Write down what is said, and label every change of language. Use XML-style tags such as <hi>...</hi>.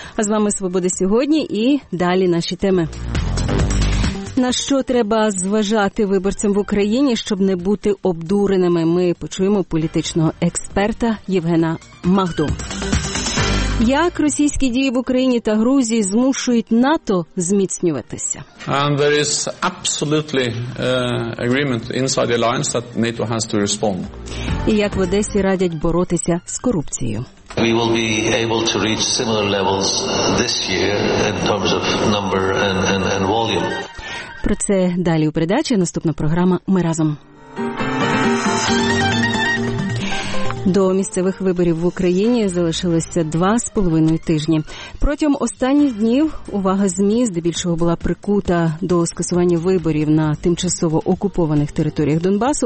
<uk>А з вами «Свобода сьогодні» і далі наші теми. На що треба зважати виборцям в Україні, щоб не бути обдуреними? Ми почуємо політичного експерта Євгена Магду. Як російські дії в Україні та Грузії змушують НАТО зміцнюватися?</uk> <en>And there is absolutely agreement inside the alliance that NATO has to respond.</en> <uk>І як в Одесі радять боротися з корупцією?</uk> <en>We will be able to reach similar levels this year in terms of number and volume.</en> <uk>Про це далі у передачі. Наступна програма «Ми разом». До місцевих виборів в Україні залишилося 2.5 тижні. Протягом останніх днів увага ЗМІ здебільшого була прикута до скасування виборів на тимчасово окупованих територіях Донбасу.</uk>